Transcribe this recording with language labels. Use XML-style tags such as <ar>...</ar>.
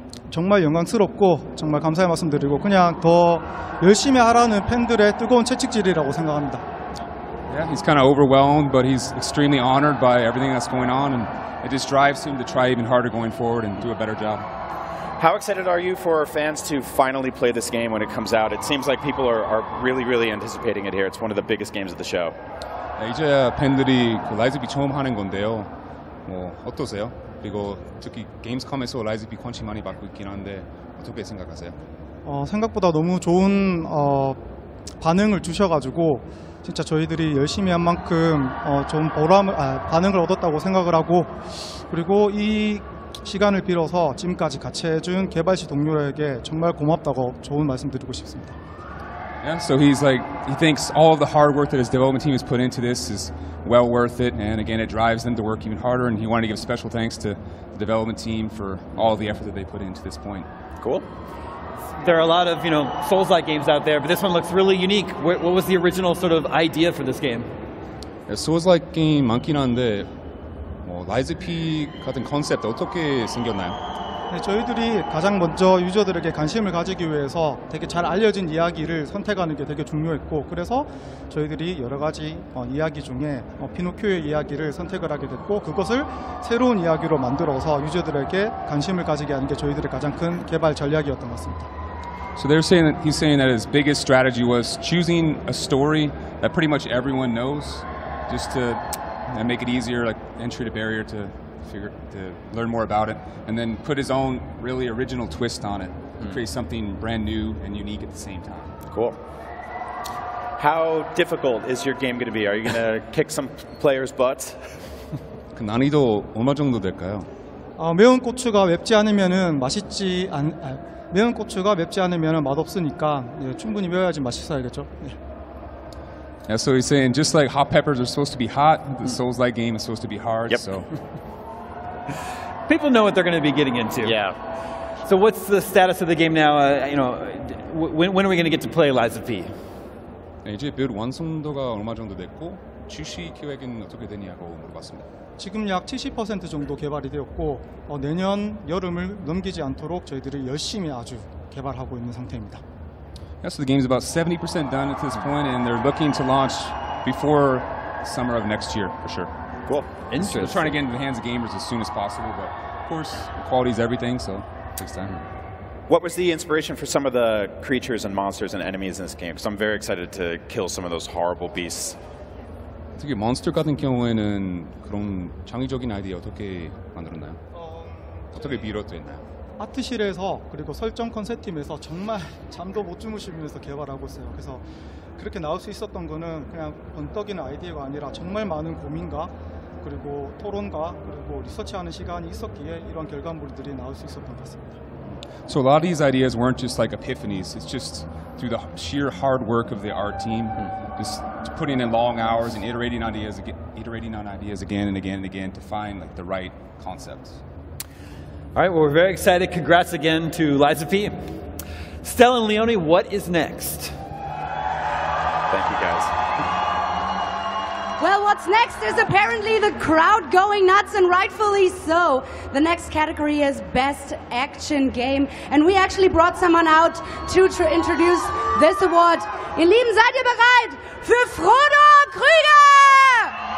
<ko>정말 영광스럽고 정말 감사의 말씀드리고 그냥 더 열심히 하라는 팬들의 뜨거운 채찍질이라고 생각합니다.</ko> <en>Yeah, he's kind of overwhelmed, but he's extremely honored by everything that's going on, and it just drives him to try even harder going forward and do a better job. How excited are you for fans to finally play this game when it comes out? It seems like people are really, really anticipating it here. It's one of the biggest games of the show.</en> <ko>이제 팬들이 그 라이즈비 처음 하는 건데요. 뭐 어떠세요? 그리고 특히 게임스컴에서 라이즈비 관심 많이 받고 있긴 한데 어떻게 생각하세요? 생각보다 너무 좋은 반응을 주셔가지고 진짜 저희들이 열심히 한 만큼 좀 반응을 얻었다고 생각을 하고 그리고 이 시간을 빌어서 지금까지 같이 해준 개발시 동료에게 정말 고맙다고 좋은 말씀 드리고 싶습니다.</ko> <en>Yeah, so he's like, he thinks all of the hard work that his development team has put into this is well worth it, and again, it drives them to work even harder, and he wanted to give special thanks to the development team for all the effort that they put into this point. Cool. There are a lot of, you know, Souls-like games out there, but this one looks really unique. What was the original sort of idea for this game?</en> <ko>Yeah, Souls-like game 많긴 한데, 뭐, Lies of P 같은 컨셉 어떻게 생겼나요? 네, 저희들이 가장 먼저 유저들에게 관심을 가지기 위해서 되게 잘 알려진 이야기를 선택하는 게 되게 중요했고 그래서 저희들이 여러 가지 이야기 중에 피노키오의 이야기를 선택을 하게 됐고 그것을 새로운 이야기로 만들어서 유저들에게 관심을 가지게 하는 게 저희들의 가장 큰 개발 전략이었던 것 같습니다.</ko> <en>So they're saying that he's saying that his biggest strategy was choosing a story that pretty much everyone knows, just to make it easier, like entry to barrier to figure to learn more about it, and then put his own really original twist on it, create something brand new and unique at the same time. Cool. How difficult is your game going to be? Are you going to kick some players' butts?</en> <ko>그 난이도 얼마 정도 될까요? 매운 고추가 맵지 않으면은 맛있지 않. 매운 고추가 맵지 않으면은 맛 없으니까 예, 충분히 매워야지 맛있어야겠죠. 예.</ko> <en>Yeah, so he's saying just like hot peppers are supposed to be hot, the Souls-like game is supposed to be hard. Yep. So people know what they're going to be getting into. Yeah. So what's the status of the game now? You know, when are we going to get to play Liza P?</en> <ko>이제 빌드 완성도가 얼마 정도 됐고 출시 계획은 어떻게 되냐고 물어봤습니다. 지금 약 70% 정도 개발이 되었고 내년 여름을 넘기지 않도록 저희들이 열심히 아주 개발하고 있는 상태입니다.</ko> <en>Yeah, so the game is about 70% done at this point, and they're looking to launch before summer of next year for sure. Cool. Interesting. We're trying to get into the hands of gamers as soon as possible, but of course, quality is everything, so takes time. What was the inspiration for some of the creatures and monsters and enemies in this game? Because I'm very excited to kill some of those horrible beasts.</en> <ko>특히 몬스터 같은 경우에는 그런 창의적인 아이디어 어떻게 만들었나요? 어떻게 비롯됐나요? 아트실에서 그리고 설정 컨셉팀에서 정말 잠도 못 주무시면서 개발하고 있어요. 그래서 그렇게 나올 수 있었던 거는 그냥 번떡이는 아이디어가 아니라 정말 많은 고민과 그리고 토론과 그리고 리서치하는 시간이 있었기에 이런 결과물들이 나올 수 있었던 것 같습니다.</ko> <en>So a lot of these ideas weren't just like epiphanies. It's just through the sheer hard work of the art team, just putting in long hours and iterating on ideas again and again and again to find like the right concepts. All right, well, we're very excited. Congrats again to Liza P. Stella and Leone, what is next? Thank you, guys. Well, what's next is apparently the crowd going nuts, and rightfully so. The next category is Best Action Game, and we actually brought someone out to introduce this award.</en> <de>Ihr Lieben, seid ihr bereit für Frodo Krüger?</de>